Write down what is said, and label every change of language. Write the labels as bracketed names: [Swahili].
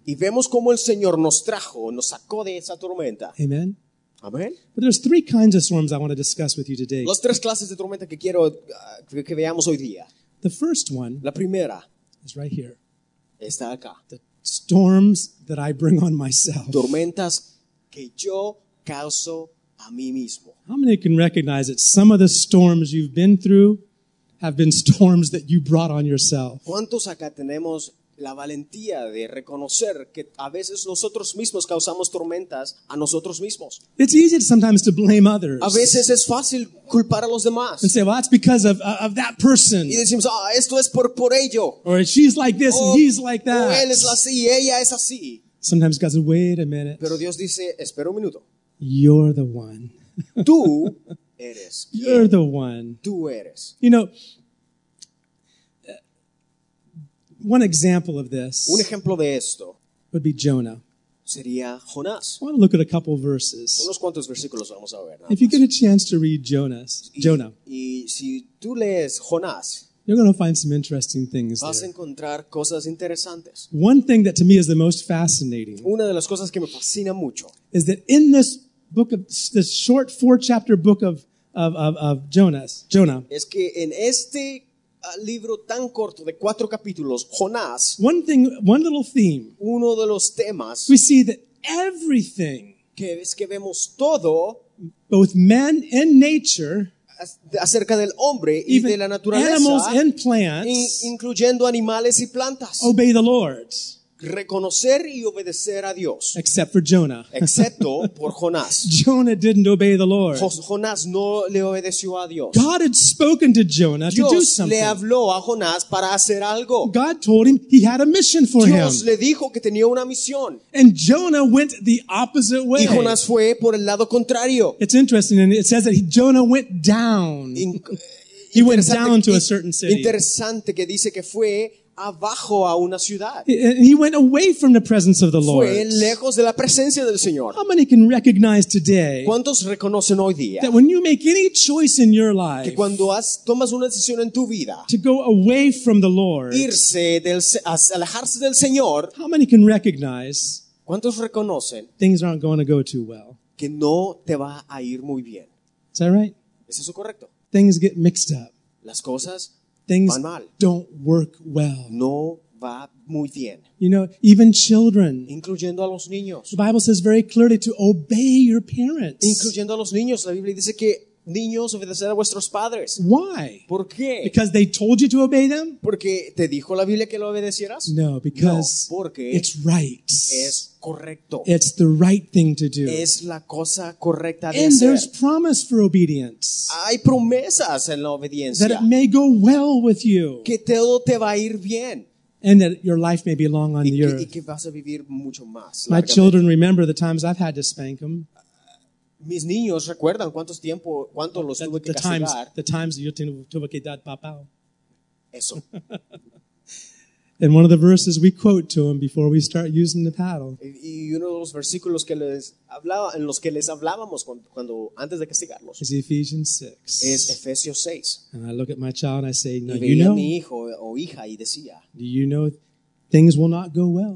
[Spanish] Y vemos cómo el Señor nos trajo, nos sacó de esa tormenta. Amen. Amen. [English] But there's 3 kinds of storms I want to discuss with you today. [Spanish] Las 3 clases de tormenta que quiero que veamos hoy día. [English] The first one, [Spanish] la primera, [English] is right here. [Spanish] Está acá. [English] The storms that I bring on myself. [Spanish] Tormentas que yo causo a mí mismo. [English] How many can recognize that some of the storms you've been through have been storms that you brought on yourself? [Spanish] ¿Cuántos acá tenemos la valentía de reconocer que a veces nosotros mismos causamos tormentas a nosotros mismos? [English] It's easy sometimes to blame others. [Spanish] A veces es fácil culpar a los demás. [English] And say, well, it's because of that person. [Spanish] Y decimos, ah, esto es por ello. [English] Or she's like this and he's like that. [Spanish] O él es así y ella es así. [English] Sometimes God says, wait a minute. [Spanish] Pero Dios dice, espera un minuto. [English] You're the one. [Spanish] Tú eres. [English] You're the one. [Spanish] Tú eres. [English] You know, one example of this. [Spanish] Un ejemplo de esto. [English] Would be Jonah. [Spanish] Sería Jonás. [English] I want to look at a couple of verses. [Spanish] Unos cuantos versículos vamos a ver. [English] If you get a chance to read Jonah. [Spanish] Y si tú lees Jonás. [English] You're going to find some interesting things there. [Spanish] Vas a encontrar cosas interesantes. [English] One thing that to me is the most fascinating. [Spanish] Una de las cosas que me fascina mucho. [English] Is that in this book of this short 4-chapter book of of Jonas, Jonah. [Spanish] Es que en este libro tan corto de cuatro capítulos, Jonás, [English] one thing, one little theme, [Spanish] uno de los temas, [English] we see that everything, [Spanish] que es que vemos todo, [English] both man and nature, [Spanish] acerca del hombre y [English] even [Spanish] de la naturaleza, [English] animals and plants, [Spanish] incluyendo animales y plantas, [English] obey the Lord. [Spanish] Reconocer y obedecer a Dios. [English] Except for Jonah. [Spanish] Excepto por Jonás. [English] Jonah didn't obey the Lord. [Spanish] Jonás no le obedeció a Dios. [English] God had spoken to Jonah [Spanish] Dios [English] to do something. [Spanish] Le habló a Jonás para hacer algo. [English] God told him he had a mission for [Spanish] Dios [English] him. [Spanish] Dios le dijo que tenía una misión. [English] And Jonah went the opposite way. [Spanish] Y Jonás fue por el lado contrario. [English] It's interesting, and it says that Jonah went down. He went down to a certain city. [Spanish] Interesante que dice que fue abajo a una ciudad. [English] He went away from the presence of the Lord. [Spanish] Fue lejos de la presencia del Señor. [English] How many can recognize today? [Spanish] ¿Cuántos reconocen hoy día? [English] That when you make any choice in your life, [Spanish] que cuando tomas una decisión en tu vida, [English] to go away from the Lord, [Spanish] irse del, alejarse del Señor. [English] How many can recognize? [Spanish] ¿Cuántos reconocen? [English] Things aren't going to go too well. [Spanish] Que no te va a ir muy bien. [English] Is that right? [Spanish] ¿Es eso correcto? [English] Things get mixed up. [Spanish] Las cosas. [English] Things [Spanish] van mal. [English] Don't work well. [Spanish] No va muy bien. [English] You know, even children. [Spanish] Incluyendo a los niños. [English] The Bible says very clearly to obey your parents. [Spanish] Incluyendo a los niños. La Biblia dice que niños obedecer a vuestros padres. [English] Why? [Spanish] ¿Por qué? [English] Because they told you to obey them? [Spanish] ¿Porque te dijo la Biblia que lo obedecieras? [English] No, because [Spanish] no, porque [English] it's right. [Spanish] Es correcto. [English] It's the right thing to do. [Spanish] Es la cosa correcta de [English] and [Spanish] hacer. [English] There's promise for obedience. [Spanish] Hay promesas en la obediencia. [English] That it may go well with you. [Spanish] Que todo te va a ir bien. [English] And that your life may be long on [Spanish] y [English] the [Spanish] que, [English] earth. [Spanish] Y que vas a vivir mucho más. My largamente. [English] Children remember the times I've had to spank them. [Spanish] Mis niños recuerdan cuántos tiempo, cuánto los tuve que castigar. [English] The times [Spanish] yo tuve que dar papá. Eso. [English] And one of the verses we quote to them before we start using the paddle. [Spanish] Y uno de los versículos que les hablaba, en los que les hablábamos cuando antes de castigarlos. [English] Is Ephesians 6. [Spanish] Es Efesios 6. [English] And I look at my child and I say, no, [Spanish] y veía [English] you know, [Spanish] a mi hijo o hija y decía, [English] do you know things will not go well.